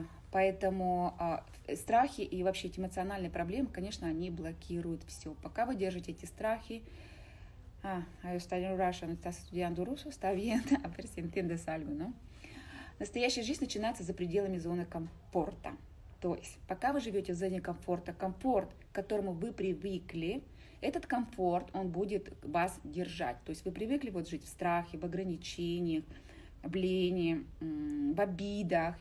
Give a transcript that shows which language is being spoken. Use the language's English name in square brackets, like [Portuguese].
[Russian] Поэтому страхи и вообще эти эмоциональные проблемы, конечно, они блокируют все. Пока вы держите эти страхи, [English] I study Russian, [Spanish] estás estudiando ruso, está bien, a ver si entiendes algo, no? [Russian] Настоящая жизнь начинается за пределами зоны комфорта. То есть, пока вы живете в зоне комфорта, комфорт, к которому вы привыкли, этот комфорт, он будет вас держать. То есть, вы привыкли вот жить в страхе, в ограничениях, в лени, в обидах.